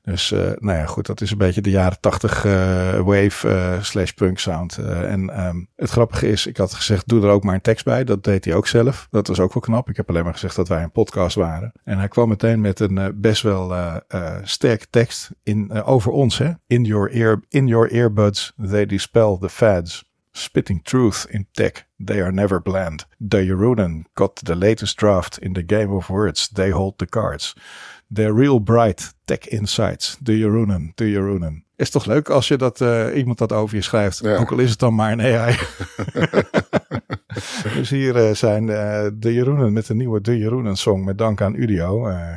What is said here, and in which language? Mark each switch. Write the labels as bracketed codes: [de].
[nl] Dus nou ja, goed, dat is een beetje de jaren 80 wave / punk sound. Het grappige is, ik had gezegd, doe er ook maar een tekst bij. Dat deed hij ook zelf. Dat was ook wel knap. Ik heb alleen maar gezegd dat wij een podcast waren. En hij kwam meteen met een best wel sterk tekst over ons. Hè? [en] In your earbuds, they dispel the fads. Spitting truth in tech, they are never bland. The Jeroenen got the latest draft in the game of words, they hold the cards. They're real bright tech insights, the Jeroenen, the Jeroenen. [nl] Is toch leuk als je dat iemand dat over je schrijft, ja. Ook al is het dan maar een AI. Dus hier zijn de Jeroenen met de nieuwe De Jeroenen song met dank aan Udio.